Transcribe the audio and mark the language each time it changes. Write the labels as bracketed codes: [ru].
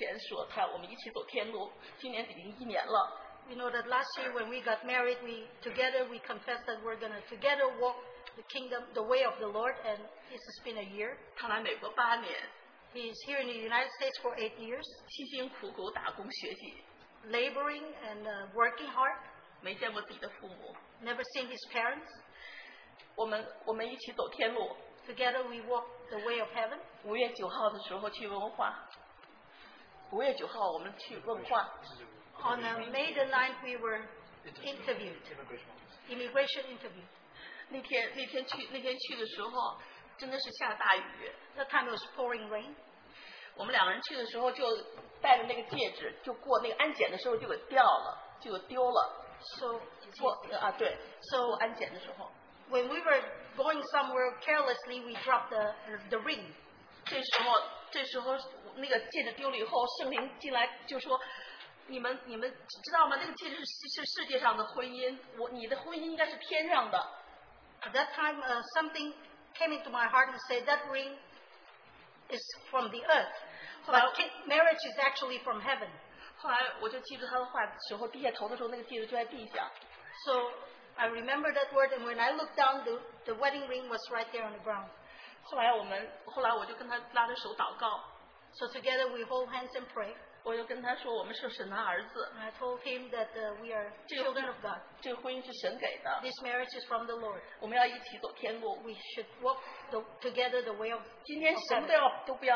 [zh] 大家知道，去年我们结婚的时候，我们在弟兄面前、姊妹面前说，我们一起走天路。今年已经一年了。 [en] You know that last year when we got married, we together we confessed that we're gonna together walk the kingdom, the way of the Lord, and this has been a year. [zh] 他来美国八年。 [en] He's here in the United States for 8 years. [zh] 辛辛苦苦打工学习, [en] laboring and working hard. [zh] 没见过自己的父母, [en] never seen his parents. [zh] 我们一起走天路, [en] together we walk the way of heaven. [zh] 5月9号的时候去问话, 5月9号我们去问话, [en] on May the 9th we were interviewed. Immigration interview. [zh] 那天去的时候真的是下大雨, [en] that time it was pouring rain. [zh] 我们两个人去的时候就戴着那个戒指，就过那个安检的时候就给掉了，就丢了。 [en] So [zh] 过安检的时候 [en] when we were going somewhere carelessly, we dropped the ring. [zh] 这时候那个戒指丢了以后，圣灵进来就说。你们知道吗？那个戒指是世界上的婚姻，你的婚姻应该是天上的。 [en] At that time, something came into my heart and said that ring is from the earth, but marriage is actually from heaven. [zh] 后来我就记住他的话，时候低下头的时候，那个戒指就在地下。 [en] So I remember that word, and when I looked down, the wedding ring was right there on the ground. [zh] 后来我就跟他拉着手祷告。 [en] So together we hold hands and pray. [zh] 我就跟他说我们是神的儿子。 [en] I told him that we are children of God. [zh] 这个婚姻是神给的。 [en] This marriage is from the Lord. [zh] 我们要一起走天路。 [en] We should walk together the way of God.